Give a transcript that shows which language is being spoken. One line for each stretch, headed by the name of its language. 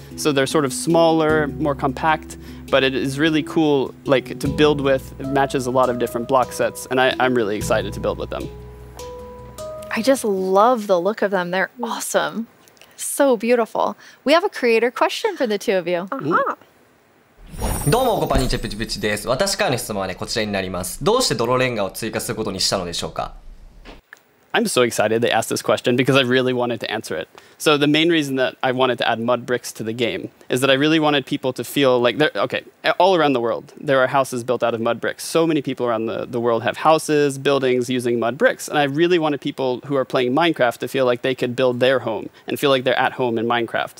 English: So they're sort of smaller, more compact, but it is really cool like to build with. It matches a lot of different block sets, and I'm really excited to build with them. I just love the look of them. They're awesome. So beautiful. We have a creator question for the two of you. Uh-huh.
Japanese: どうもコパニチェプチプチです。私からの質問はねこちらになります。どうして泥レンガを追加することにしたのでしょうか。
English: I'm so excited they asked this question because I really wanted to answer it. So the main reason that I wanted to add mud bricks to the game is that I really wanted people to feel like they're okay. All around the world there are houses built out of mud bricks. So many people around the world have houses, buildings using mud bricks, and I really wanted people who are playing Minecraft to feel like they could build their home and feel like they're at home in Minecraft.